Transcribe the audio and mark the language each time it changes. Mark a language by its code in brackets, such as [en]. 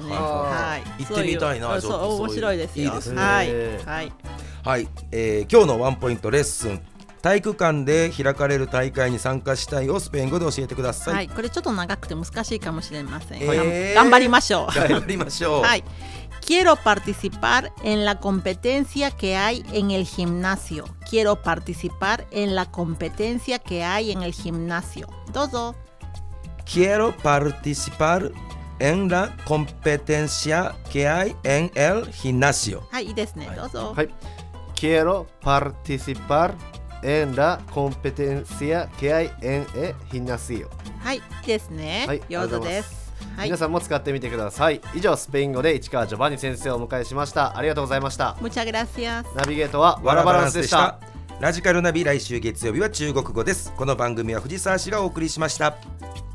[ja] はいはいはいはい、行ってみたいな、そういう、そう、面白いですよ、いいですね、はい、はい、はい、今日のワンポイントレッスン、体育館で開かれる大会に参加したいをスペイン語で教えてください。はい、これちょっと長くて難しいかもしれません。頑張りましょう。頑張りましょう。はい。 [es] Quiero participar en la competencia que hay en el gimnasio. Quiero participar en la competencia que hay en el gimnasio. [ja] どうぞ。 [es] Quiero participar en la competencia que hay en el gimnasio. [ja] はい、いいですね。どうぞ。はい。 [es] Quiero participarEn la competencia que hay en el gimnasio. [ja] はい、ですね。はい、よろです。はい、皆さんも使ってみてください。以上、スペイン語で市川ジョバンニ先生をお迎えしました。ありがとうございました。 [es] Muchas gracias。 [ja] ナビゲートはワラバランスでした。ラジカルナビ、来週月曜日は中国語です。この番組は藤沢氏がお送りしました。